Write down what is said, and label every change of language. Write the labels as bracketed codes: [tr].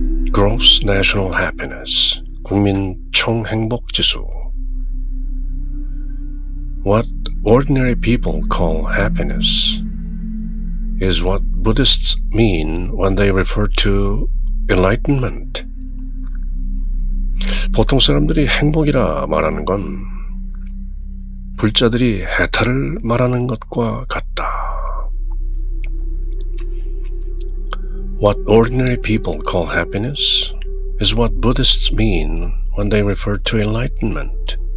[en] Gross National Happiness, [ko] 국민 총행복지수. [en] What ordinary people call happiness is what Buddhists mean when they refer to enlightenment. [ko] 보통 사람들이 행복이라 말하는 건 불자들이 해탈을 말하는 것과 같다. [en] What ordinary people call happiness is what Buddhists mean when they refer to enlightenment.